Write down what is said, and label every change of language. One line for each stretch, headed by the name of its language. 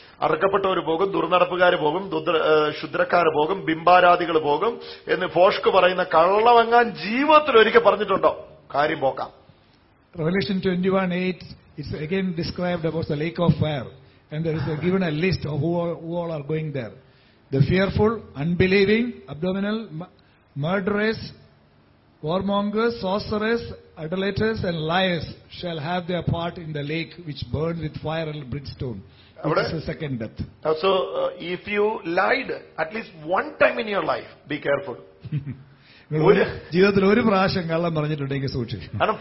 Malayalam: അറക്കപ്പെട്ടവർ പോകും, ദുർനടപ്പുകാർ പോകും, ശുദ്രക്കാർ പോകും, ബിംബാരാധികൾ പോകും എന്ന് ഫോഷ്ക്ക് പറയുന്ന കള്ളവങ്ങാൻ ജീവിതത്തിൽ ഒരിക്കൽ പറഞ്ഞിട്ടുണ്ടോ? കാര്യം പോക്കാം.
English: Revelation 21:8 it's again described about the lake of fire, and there is given a list of who all are going there. The fearful, unbelieving, abominable, murderers, warmongers, sorcerers, adulterers and liars shall have their part in the lake which burns with fire and brimstone, which is the second death. So if you lied at least one time in your life, be careful.
Malayalam: ഒരു ജീവിതത്തിൽ ഒരു പ്രാവശ്യം കള്ളം പറഞ്ഞിട്ടുണ്ടെങ്കിൽ സൂക്ഷിക്കണം.